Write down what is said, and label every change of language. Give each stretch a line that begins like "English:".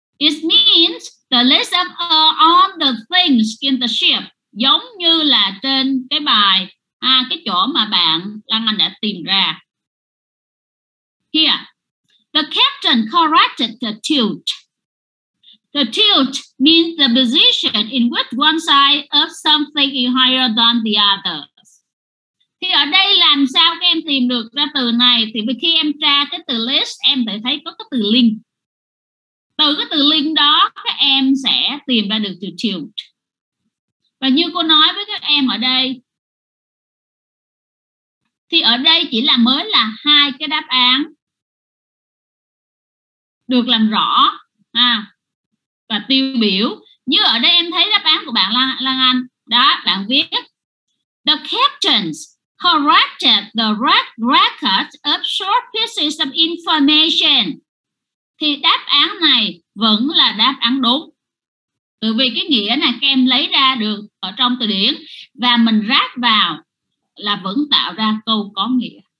English: It means the list of all the things in the ship.
Vietnamese: Giống như là trên cái bài, cái chỗ mà bạn Lăng Anh đã tìm ra.
English: Here, the captain corrected the tilt. The tilt means the position in which one side of something is higher than the other.
Vietnamese: Thì ở đây làm sao các em tìm được ra từ này? Thì khi em tra cái từ list, em phải thấy có cái từ link. Từ cái từ link đó, các em sẽ tìm ra được từ tilt. Và như cô nói với các em ở đây, thì ở đây chỉ là mới là hai cái đáp án được làm rõ và tiêu biểu. Như ở đây em thấy đáp án của bạn Lan Anh. Đó, bạn viết
English: the captains corrected the record of short pieces of information.
Vietnamese: Thì đáp án này vẫn là đáp án đúng. Từ vì cái nghĩa này các em lấy ra được ở trong từ điển và mình rác vào là vẫn tạo ra câu có nghĩa.